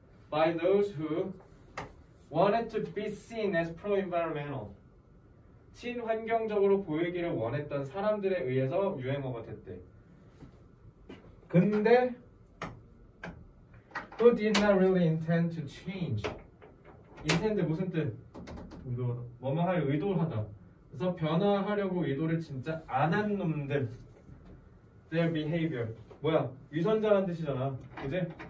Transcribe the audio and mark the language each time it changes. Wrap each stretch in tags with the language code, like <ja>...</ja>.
<en>By those who wanted to be seen as pro-environmental.</en> <ko>친환경적으로 보이기를 원했던 사람들에 의해서 유행어가 됐대.</ko> <en>근데 who did not really intend to change.</en> <ko>intend 무슨 뜻? 의도하다. 뭐뭐 할 의도를 하다. 그래서 변화하려고 의도를 진짜 안 한 놈들.</ko> <en>Their behavior.</en> <ko>뭐야? 유선자란 뜻이잖아. 그지?</ko>